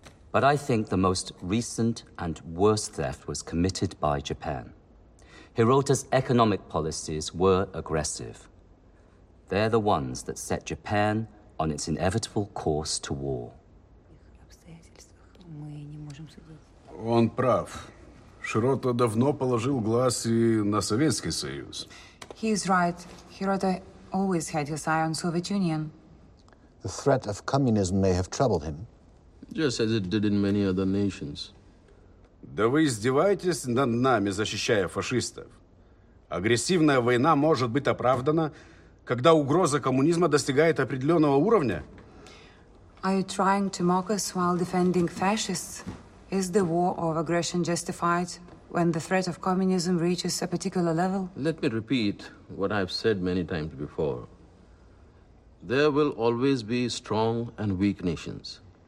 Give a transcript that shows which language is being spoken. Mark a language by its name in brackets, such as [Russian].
[English] But I think the most recent and worst theft was committed by Japan. Hirota's economic policies were aggressive. They're the ones that set Japan on its inevitable course to war. [Russian] Он прав. Широта давно положил глаз и на Советский Союз. [English] He's right. Hirota always had his eye on Soviet Union. The threat of communism may have troubled him. Just as it did in many other nations. [Russian] Да вы издеваетесь над нами, защищая фашистов. Агрессивная война может быть оправдана, когда угроза коммунизма достигает определенного уровня. [English] Are you trying to mock us while defending fascists? Is the war of aggression justified when the threat of communism reaches a particular level? Let me repeat what I've said many times before. There will always be strong and weak nations.